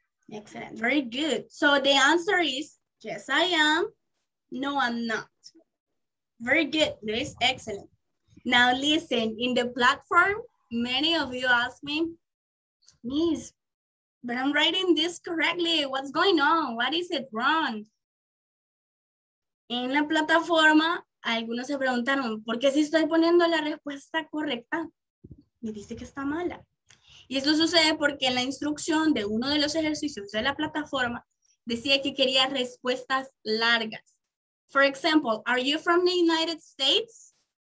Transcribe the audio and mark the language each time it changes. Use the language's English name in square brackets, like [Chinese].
[English] Excellent. Very good. So the answer is, yes, I am. No, I'm not. Very good, Luis. Excellent. Now listen, in the platform, many of you ask me, Miss, but I'm writing this correctly. What's going on? What is it wrong? [Spanish] En la plataforma, algunos se preguntaron, ¿por qué si estoy poniendo la respuesta correcta? Me dice que está mala. Y esto sucede porque en la instrucción de uno de los ejercicios de la plataforma decía que quería respuestas largas. [English] For example, are you from the United States?